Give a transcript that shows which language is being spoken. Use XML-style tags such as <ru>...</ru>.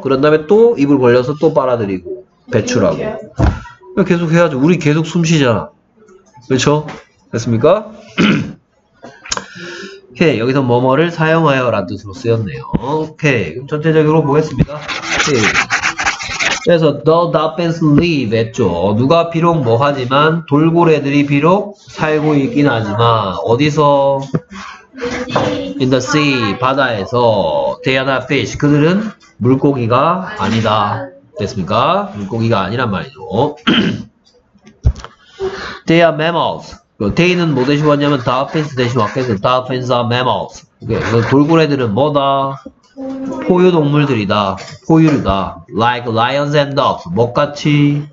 <ko>그런 다음에 또 입을 벌려서 또 빨아들이고 배출하고 계속 해야죠. 우리 계속 숨 쉬잖아. 그렇죠? 됐습니까? 오케이. 여기서 뭐뭐를 사용하여 라는 뜻으로 쓰였네요. 오케이. 그럼 전체적으로 뭐 했습니까? 오케이. 그래서</ko> <en>the dolphins live</en> <ko>했죠. 누가 비록 뭐 하지만 돌고래들이 비록 살고 있긴 하지만 어디서?</ko> <en>In the sea,</en> <ko>바다에서.</ko> <en>They are not fish.</en> <ko>그들은 물고기가 아니다. 됐습니까? 물고기가 아니란 말이죠.</ko> <en>They are mammals.</en> <ko>They는 뭐 대신 왔냐면 dolphins 대신 왔겠어요.</ko> <en>Dolphins are mammals.</en> <ko>돌고래들은 뭐다? 포유동물들이다. 포유류다.</ko> <en>Like lions and dogs.</en> <ko>뭐같이?</ko>